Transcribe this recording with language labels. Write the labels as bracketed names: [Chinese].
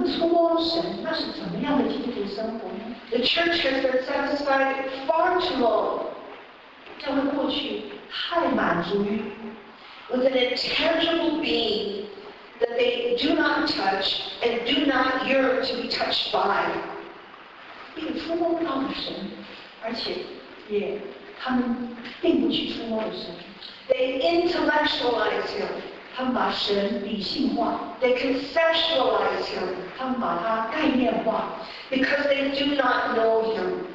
[Chinese] 我们做基督徒如果不能触摸神，那是怎么样的基督徒生活呢？ [English] The church has been satisfied far too long. [Chinese] 教会过去太满足于 [English] with an intangible being that they do not touch and do not yearn to be touched by. [Chinese] 并触摸不到神，而且也 他们并不去触摸神。 [English] They intellectualize him. [Chinese] 他们把神理性化。 [English] They conceptualize him. [Chinese] 他们把他概念化。 [English] Because they do not know him.